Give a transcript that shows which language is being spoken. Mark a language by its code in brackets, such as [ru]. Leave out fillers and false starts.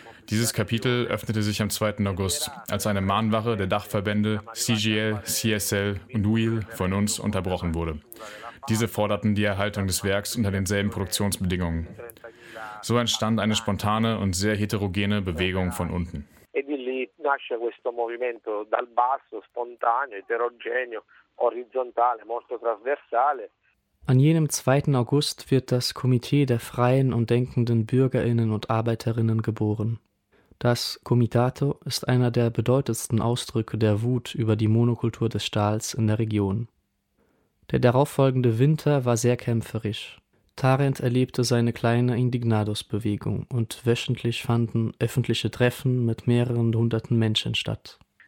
[de] Dieses Kapitel öffnete sich am 2. August, als eine Mahnwache der Dachverbände CGL, CSL und UIL von uns unterbrochen wurde. Diese forderten die Erhaltung des Werks unter denselben Produktionsbedingungen. So entstand eine spontane und sehr heterogene Bewegung von unten. [it] Nasce questo movimento dal basso, spontaneo, eterogeneo, orizzontale, molto trasversale. [de] An jenem 2. August wird das Komitee der freien und denkenden BürgerInnen und ArbeiterInnen geboren. Das Comitato ist einer der bedeutendsten Ausdrücke der Wut über die Monokultur des Stahls in der Region. Der darauffolgende Winter war sehr kämpferisch. Tarent erlebte seine kleine Indignados-Bewegung und wöchentlich fanden öffentliche Treffen mit mehreren hunderten Menschen statt.